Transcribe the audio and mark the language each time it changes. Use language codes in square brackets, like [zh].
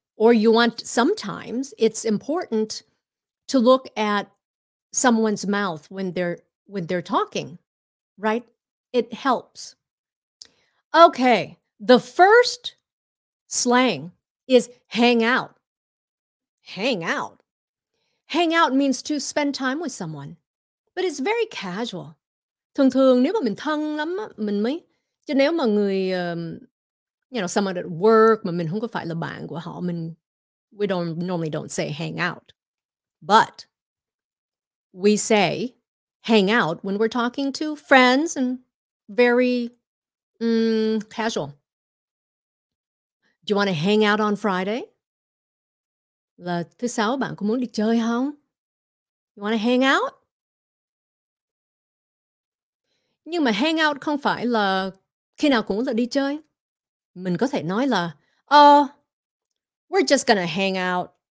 [en] Or you want, sometimes it's important to look at someone's mouth when they're talking, right? It helps. Okay, the first slang is hang out. Hang out. Hang out means to spend time with someone, but it's very casual. [vi] Thường thường nếu mà mình thân lắm mình mới, chứ nếu mà người [en] you know, someone at work [vi] mà mình không có phải là bạn của họ, mình, [en] we don't normally don't say hang out. But we say hang out when we're talking to friends and very casual. Do you want to hang out on Friday? [vi] Là thứ sáu bạn có muốn đi chơi không? [en] You want to hang out? [vi] Nhưng mà hang out không phải là khi nào cũng là đi chơi. Mình có thể nói là, [en] oh, we're just gonna hang out.